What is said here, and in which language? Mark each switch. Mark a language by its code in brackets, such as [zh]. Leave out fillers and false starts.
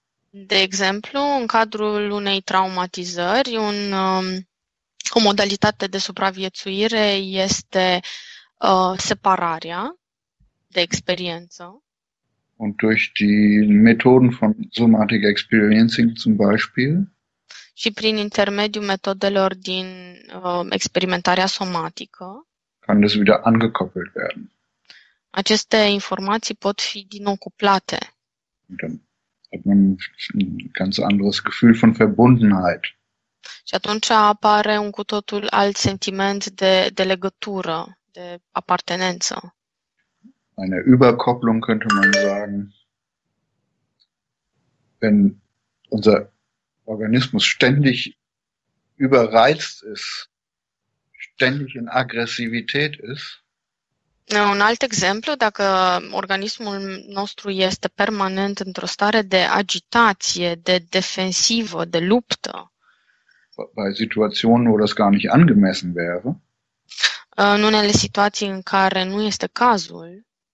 [ro] De exemplu, în cadrul unei traumatizări, o modalitate de supraviețuire este separarea de experiență. [de] Und durch die Methoden von somatic experiencing zum Beispiel. [ro] Și prin intermediul metodelor din experimentarea somatică, [de] Kann das wieder angekoppelt werden? [ro] aceste informații pot fi din nou cuplate. [de] Und dann hat man ein ganz anderes Gefühl von Verbundenheit. [ro] Și atunci apare un cu totul alt sentiment de legătură, de apartenență. [de] Eine Überkopplung könnte man sagen, wenn unser Organismus ständig überreizt ist, ständig in Aggressivität ist. [ro] Un alt exemplu, dacă organismul nostru este permanent într-o stare de agitație, de defensivă, de luptă, [de] Bei Situationen, wo das gar nicht angemessen wäre, [ro] în unele situații în care nu este cazul,